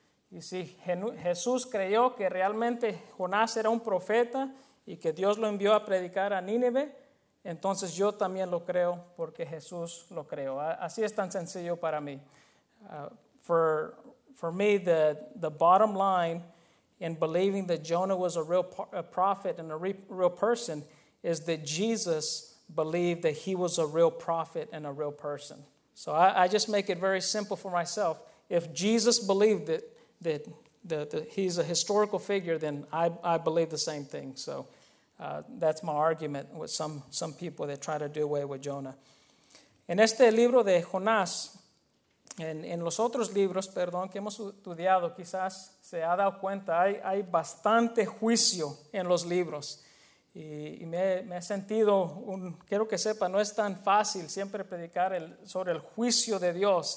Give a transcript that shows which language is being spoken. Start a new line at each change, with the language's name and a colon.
Spanish: Y si Jesús creyó que realmente Jonás era un profeta y que Dios lo envió a predicar a Nínive, entonces yo también lo creo porque Jesús lo creó. Así es tan sencillo para mí.
English: For me, the bottom line in believing that Jonah was a prophet and a real person is that Jesus believed that he was a real prophet and a real person. So I just make it very simple for myself. If Jesus believed it, that he's a historical figure, then I believe the same thing. So that's my argument with some people that try to do away with Jonah.
Spanish: En este libro de Jonás, en los otros libros, perdón, que hemos estudiado, quizás se ha dado cuenta, hay bastante juicio en los libros. Y me he sentido, quiero que sepa, no es tan fácil siempre predicar sobre el juicio de Dios.